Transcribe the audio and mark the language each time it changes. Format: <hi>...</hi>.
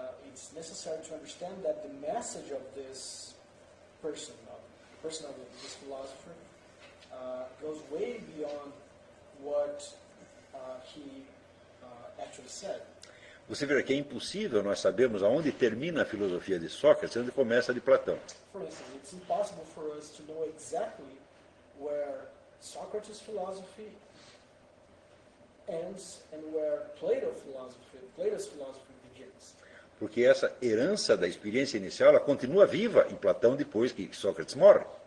<en>It's necessary to understand that the message of this person, this philosopher, goes way beyond what he actually said.</en> <pt>Você vê que é impossível nós sabermos aonde termina a filosofia de Sócrates e onde começa a de Platão.</pt> <en>For instance, it's impossible for us to know exactly where Socrates' philosophy ends and where Plato's philosophy begins.</en> <pt>Porque essa herança da experiência inicial, ela continua viva em Platão depois que Sócrates morre.</pt>